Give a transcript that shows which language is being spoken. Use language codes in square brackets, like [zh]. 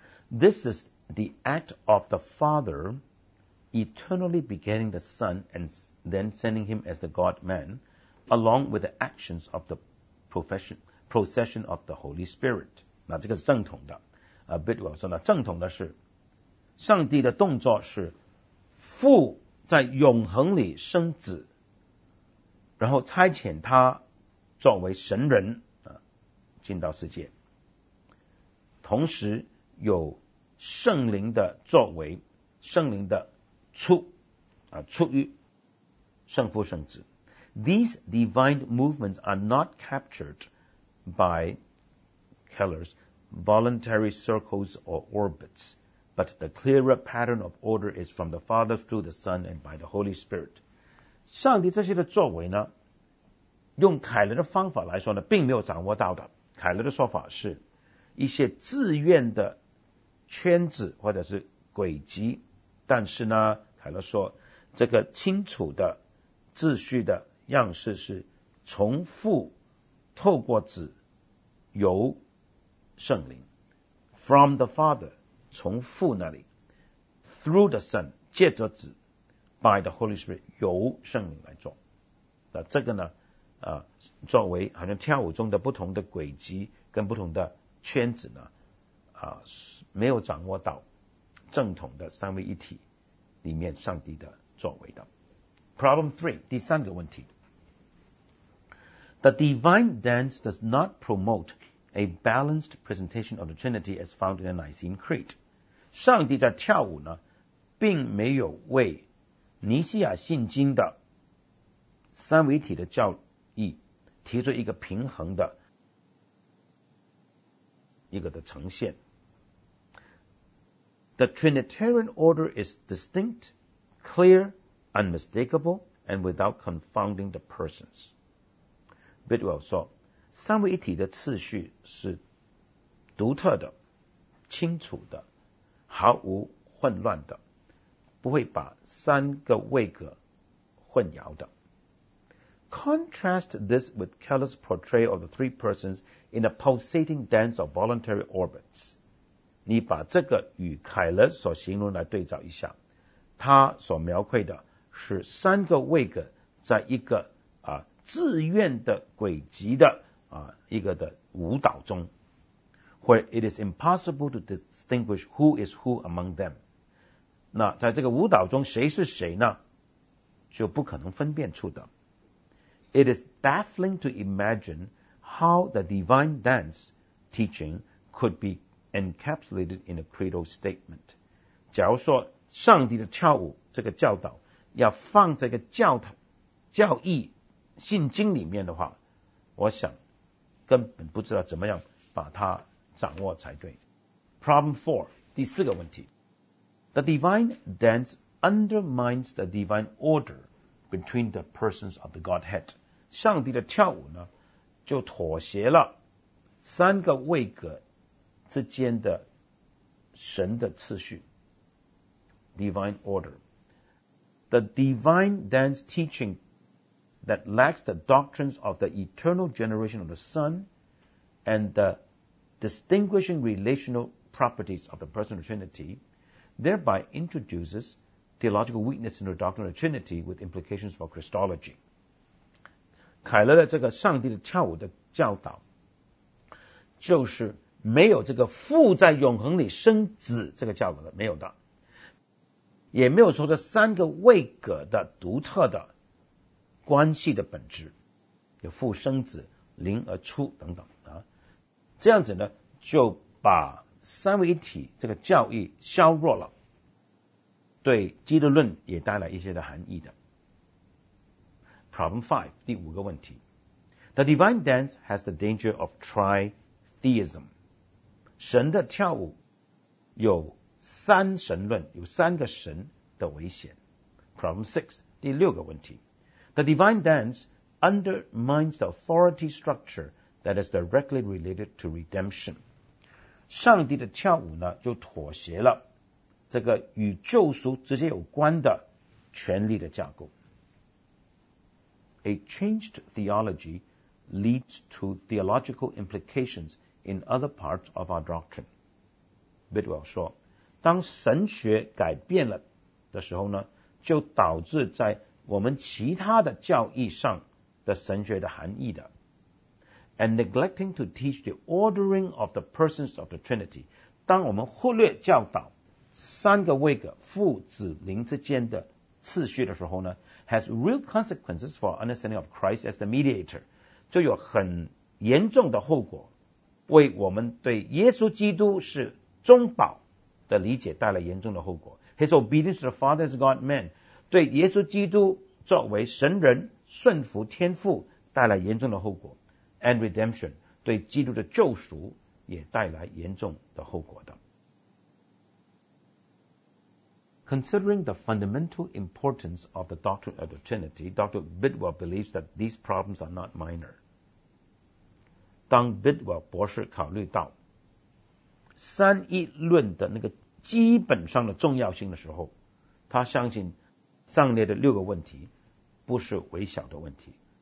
[en] This is the act of the Father eternally begetting the Son and then sending him as the God-man along with the actions of the procession of the Holy Spirit. [zh] 那这个是正统的。Bidwell 说呢正统的是上帝的动作是父在永恒里生子。然后差遣他作为神人、进到世界同时有圣灵的作为圣灵的出、出于圣父圣子 [en] These divine movements are not captured by Keller's voluntary circles or orbits, but the clearer pattern of order is from the Father through the Son and by the Holy Spirit. [zh] 上帝这些的作为呢，用凯勒的方法来说呢，并没有掌握到的。凯勒的说法是，一些自愿的圈子或者是轨迹，但是呢，凯勒说，这个清楚的秩序的样式是重复透过子由圣灵 [en] from the Father [zh] 从父那里 [en] through the Son [zh] 借着子 [en] by the Holy Spirit [zh] 由圣灵来做。那这个呢，作为好像跳舞中的不同的轨迹跟不同的圈子呢，没有掌握到正统的三位一体里面上帝的作为的。 [en] Problem three， [zh] 第三个问题。 [en] The divine dance does not promote a balanced presentation of the Trinity as found in the Nicene Creed. [zh] 上帝在跳舞呢，并没有为尼西亚信经的三位一体的教义提出一个平衡的一个的呈现。 [en] The Trinitarian order is distinct, clear, unmistakable, and without confounding the persons. [zh] Bidwell 说，三位一体的次序是独特的、清楚的、毫无混乱的，不会把三个位格混淆的。 [en] Contrast this with Keller's portrayal of the three persons in a pulsating dance of voluntary orbits. [zh] 你把这个与凯勒所形容来对照一下，他所描绘的是三个位格在一个自愿的轨迹的一个的舞蹈中 [en] ，where it is impossible to distinguish who is who among them。 [zh] 那在这个舞蹈中谁是谁呢？就不可能分辨出的。 [en] It is baffling to imagine how the divine dance teaching could be encapsulated in a credo statement。 [zh] 假如说上帝的跳舞这个教导要放这个教义。信经里面的话，我想根本不知道怎么样把它掌握才对。 [en] Problem four， [zh] 第四个问题。 [en] The divine dance undermines the divine order between the persons of the Godhead。 [zh] 上帝的跳舞呢，就妥协了三个位格之间的神的次序。 [en] Divine order。 The divine dance teaching。 That lacks the doctrines of the eternal generation of the Son and the distinguishing relational properties of the person of the Trinity, thereby introduces theological weakness in the doctrine of the Trinity with implications for Christology. [zh] 凯勒的这个上帝的跳舞的教导，就是没有这个父在永恒里生子这个教导的，没有的，也没有说这三个位格的独特的关系的本质，有父生子灵而出等等这样子呢，就把三位一体这个教义削弱了，对基督论也带来一些的含义的。 [en] Problem 5， [zh] 第五个问题。 [en] The divine dance has the danger of tritheism. [zh] 神的跳舞有三神论，有三个神的危险。 [en] Problem 6， [zh] 第六个问题。 [en] The divine dance undermines the authority structure that is directly related to redemption. [zh] 上帝的跳舞呢，就妥协了这个与救赎直接有关的权力的架构。 [en] A changed theology leads to theological implications in other parts of our doctrine. [zh] Bidwell 说，当神学改变了的时候呢，就导致在我们其他的教义上的神学的含义的。 [en] And neglecting to teach the ordering of the persons of the Trinity， [zh] 当我们忽略教导三个位格父子灵之间的次序的时候呢， [en] has real consequences for understanding of Christ as the mediator， [zh] 就有很严重的后果，为我们对耶稣基督是中保的理解带来严重的后果。 [en] His obedience to the Father as God man， [zh] 对耶稣基督作为神人顺服天父带来严重的后果 [en] and redemption [zh] 对基督的救赎也带来严重的后果的。 [en] Considering the fundamental importance of the doctrine of the Trinity, Dr. Bidwell believes that these problems are not minor. [zh] 当 Bidwell 博士考虑到三一论的那个基本上的重要性的时候，他相信上列的六个问题不是微小的问题。